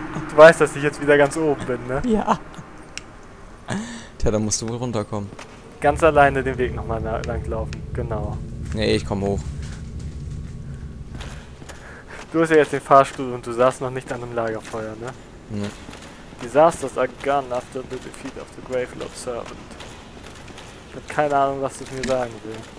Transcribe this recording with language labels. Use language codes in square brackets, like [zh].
[de] Du weißt, dass ich jetzt wieder ganz oben bin, ne? Ja. Tja, dann musst du wohl runterkommen. Ganz alleine den Weg nochmal langlaufen, genau. Nee, ich komme hoch. Du hast ja jetzt den Fahrstuhl und du saßt noch nicht an einem Lagerfeuer, ne? Ne. [en] Disasters are gone after the defeat of the Gravelord Servant. [de] Ich hab keine Ahnung, was das mir sagen will.